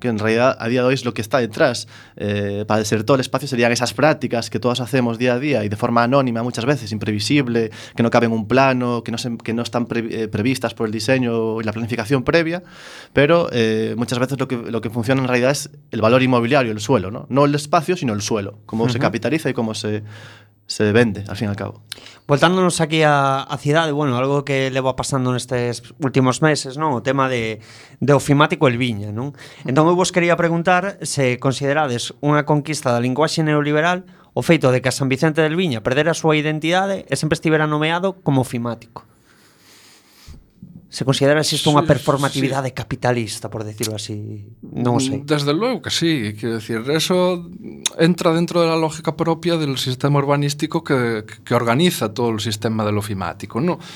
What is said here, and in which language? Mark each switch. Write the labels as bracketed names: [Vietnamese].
[Spanish] Que en realidad a día de hoy es lo que está detrás. Para ser todo el espacio serían esas prácticas que todos hacemos día a día y de forma anónima muchas veces, imprevisible, que no caben un plano, que no están previstas por el diseño y la planificación previa, pero muchas veces lo que funciona en realidad es el valor inmobiliario, el suelo, ¿no? No el espacio, sino el suelo, cómo se capitaliza y cómo se vende, al fin y al cabo. [Galician] Voltándonos aquí a cidade, bueno, algo que levo pasando nestes últimos meses, ¿no? O tema de ofimático el viña, ¿no? Entón, eu vos quería preguntar se considerades unha conquista da linguaxe neoliberal o feito de que a San Vicente del Viña perdera a súa identidade e sempre estivera nomeado como ofimático. Se considera si isto unha performatividade capitalista, [Spanish] por decirlo así, [Galician] non o sei. [Spanish] Desde logo que sí, quero decir, eso entra dentro da lógica propia del sistema urbanístico que organiza todo o sistema del ofimático, ¿no?